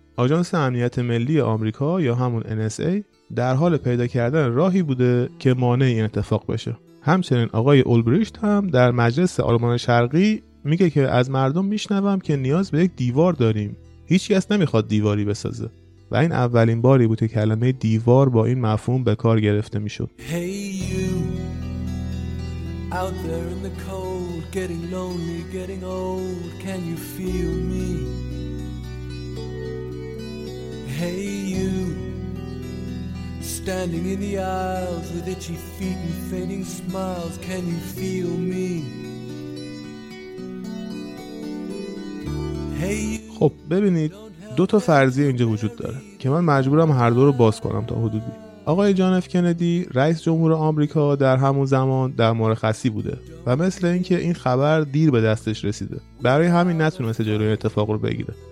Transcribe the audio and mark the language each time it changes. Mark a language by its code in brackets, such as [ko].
[fa] آژانس امنیت ملی آمریکا یا همون NSA در حال پیدا کردن راهی بوده که مانع این اتفاق بشه. همچنین آقای اولبریشت هم در مجلس آلمان شرقی میگه که از مردم میشنوم که نیاز به یک دیوار داریم. هیچکس نمیخواد دیواری بسازه. و این اولین باری بود که کلمه دیوار با این مفهوم به کار گرفته میشد. [en] Hey you out there in the cold getting lonely getting old can you feel me? Hey you standing in the aisles with itchy feet and fading smiles can you feel me? [fa] خب ببینید، دو تا فرضیه اینجا وجود داره که من مجبورم هر دو رو باز کنم تا حدودی. آقای جان اف کندی رئیس جمهور آمریکا در همون زمان در مرخصی بوده و مثل اینکه این خبر دیر به دستش رسیده، برای همین نتونسته جلوی اتفاق رو بگیره.